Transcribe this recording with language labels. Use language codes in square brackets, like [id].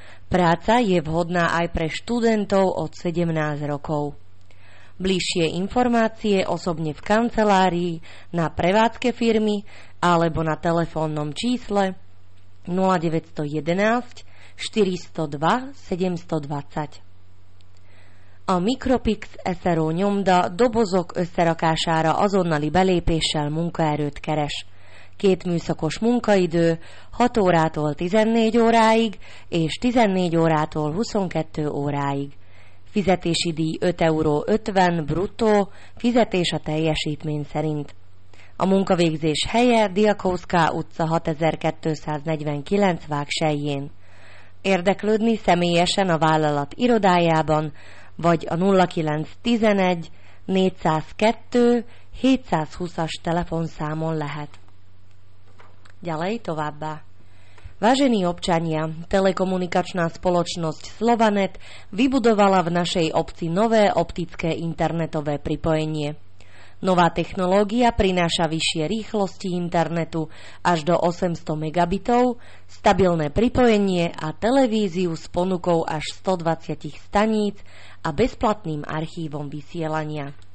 [sk] Práca je vhodná aj pre študentov od 17 rokov. Bližšie informácie osobne v kancelárii, na prevádzke firmy alebo na telefónnom čísle 0911 402 720. [hu] A Micropix SRO nyomda dobozok összerakására azonnali belépéssel munkaerőt keres. Két műszakos munkaidő 6 órától 14 óráig és 14 órától 22 óráig. Fizetési díj 5,50 € bruttó, fizetés a teljesítmény szerint. A munkavégzés helye Diakovská utca 6249 Vágsellyén. Érdeklődni személyesen a vállalat irodájában, vagy a 0911 402 720-as telefonszámon lehet. [sk] Ďalej [hu] továbbá. [sk] Vážení občania, telekomunikačná spoločnosť Slovanet vybudovala v našej obci nové optické internetové pripojenie. Nová technológia prináša vyššie rýchlosti internetu až do 800 megabitov, stabilné pripojenie a televíziu s ponukou až 120 staníc a bezplatným archívom vysielania.